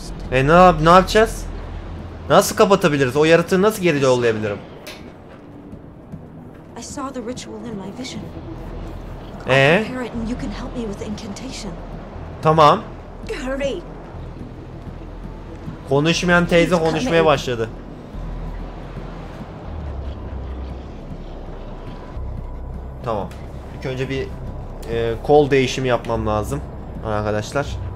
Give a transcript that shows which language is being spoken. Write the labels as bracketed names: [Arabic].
[Turkish] Ne yapacağız? Nasıl kapatabiliriz? O yaratığı nasıl geri yollayabilirim? [English] I saw the ritual in my vision. Prepare it and you can help me with incantation. [Turkish] Tamam. [English] Hurry. [Turkish] Konuşmayan teyze konuşmaya başladı. Tamam. İlk önce bir kol değişimi yapmam lazım arkadaşlar.